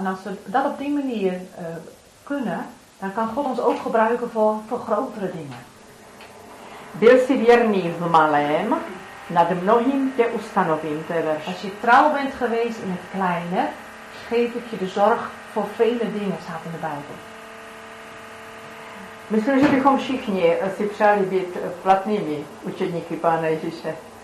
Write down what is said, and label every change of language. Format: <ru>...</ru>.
<nl>Als we dat op die manier kunnen, dan kan God ons ook gebruiken voor grotere dingen.</nl> <cs>Byl jsi věrný v malém. Nad mnohým tě ustanovím, to je verš.</cs> <nl>Als je trouw bent geweest in het kleine, geef ik je de zorg voor vele dingen, staat in de Bijbel.</nl> <cs>Myslím, že bychom všichni si přáli být platnými učedníky Pána Ježíše.</cs>